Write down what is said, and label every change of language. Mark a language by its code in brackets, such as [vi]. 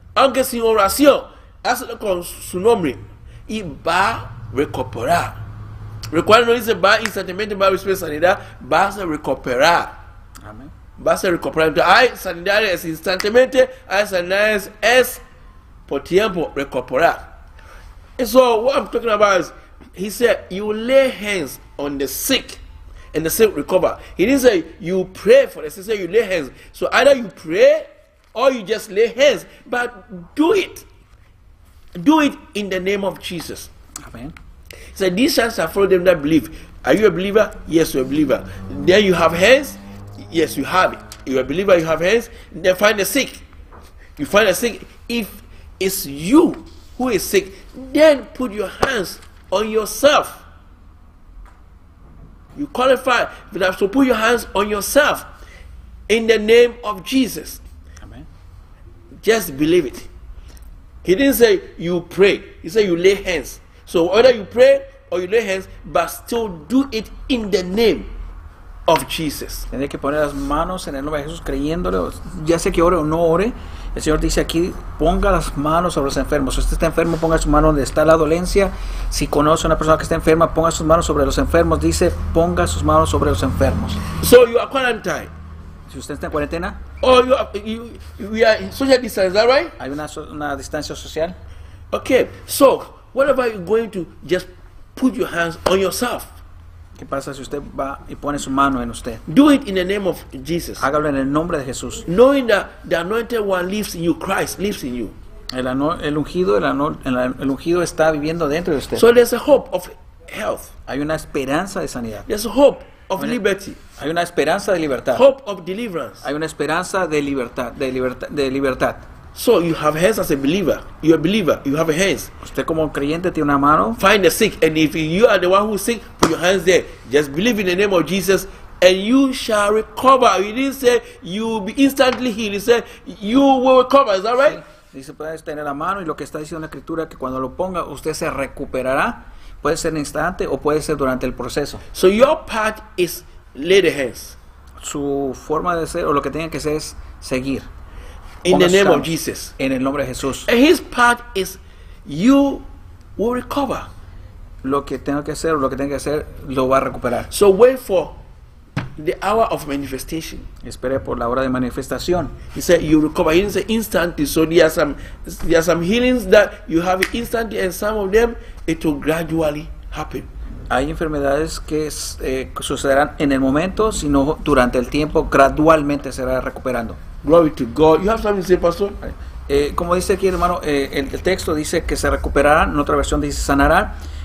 [es] Aunque sin oración. Hácelo con su nombre. Y va a recuperar. Recuerda, no dice va instantáneamente, va a recibir sanidad. Va a recuperar. Amén. vas a recuperar. Hay sanidades instantáneamente, hay sanidades es por tiempo recuperar. [en] And so what I'm talking about is, he said, you lay hands on the sick and the sick recover. He didn't say you pray for the sick, he said you lay hands. So either you pray or you just lay hands, but do it. Do it in the name of Jesus. Amen. So these signs shall follow them that believe. Are you a believer? Yes, you're a believer. Then you have hands? Yes, you have it. You're a believer, you have hands. Then find the sick. You find the sick. If it's you who is sick, then put your hands on yourself. You qualify, but you have to put your hands on yourself in the name of Jesus. Amen. Just believe it. He didn't say you pray, he said you lay hands. So whether you pray or you lay hands, but still do it in the name of Jesus. [es] Tiene que poner las manos en el nombre de Jesús, creyéndole, ya sea que ore o no ore. El Señor dice aquí, ponga las manos sobre los enfermos. Si usted está enfermo, ponga su mano donde está la dolencia. Si conoce a una persona que está enferma, ponga sus manos sobre los enfermos. Dice, ponga sus manos sobre los enfermos. [en] So you are quarantined. [es] Si usted está en cuarentena. [en] Oh, we are social distance, is that right? [es] Hay una distancia social. [en] Okay, so what about you going to just put your hands on yourself? [es] ¿Qué pasa si usted va y pone su mano en usted? [en] Do it in the name of Jesus. [es] Hágalo en el nombre de Jesús. [en] Knowing that the anointed one lives in you, Christ lives in you. [es] El ungido está viviendo dentro de usted. [en] So there's a hope of health. [es] Hay una esperanza de sanidad. [en] There's a hope of liberty. [es] Hay una esperanza de libertad. [en] Hope of deliverance. [es] Hay una esperanza de libertad, de libertad. [en] So you have hands as a believer. You're a believer. You have hands. [es] Usted como creyente tiene una mano. [en] Find the sick, and if you are the one who's sick, put your hands there. Just believe in the name of Jesus, and you shall recover. He didn't say you will be instantly healed. He said you will recover. Is that right? [es] Sí. Dice puedes tener la mano, y lo que está diciendo la escritura que cuando lo ponga usted se recuperará. Puede ser en instante o puede ser durante el proceso. [en] So your part is lay the hands. [es] Su forma de ser o lo que tenga que hacer es seguir. [en] In the name of Jesus. [es] En el nombre de Jesús. [en] And his part is you will recover. [es] Lo que tengo que hacer, lo que tengo que hacer, lo va a recuperar. [en] So wait for the hour of manifestation. [es] Espere por la hora de manifestación. [en] He said you recover. He didn't say instantly. So there are some healings that you have instantly, and some of them it will gradually happen. [es] Hay enfermedades que sucederán en el momento, sino durante el tiempo, gradualmente se va recuperando. [en] Glory to God. You have something to say, Pastor? [es] Como dice aquí, hermano, el texto dice que se recuperará. En otra versión dice sanará.